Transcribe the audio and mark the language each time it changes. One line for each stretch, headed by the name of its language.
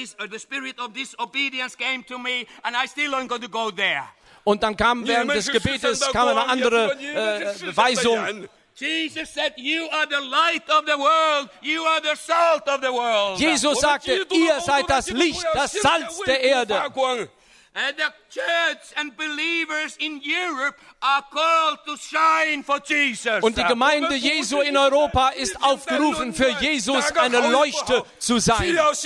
English: The spirit of disobedience came to me, and I still am going to go there.
German: Und dann kam während des Gebetes kam eine andere Weisung.
English: Jesus said, "You are the light of the world. You are the salt of the world."
German: Jesus sagte, ihr seid das Licht, das Salz der Erde.
English: And the church and believers in Europe are called to shine for Jesus.
German: Und die Gemeinde Jesu in Europa ist aufgerufen, für Jesus eine Leuchte zu sein.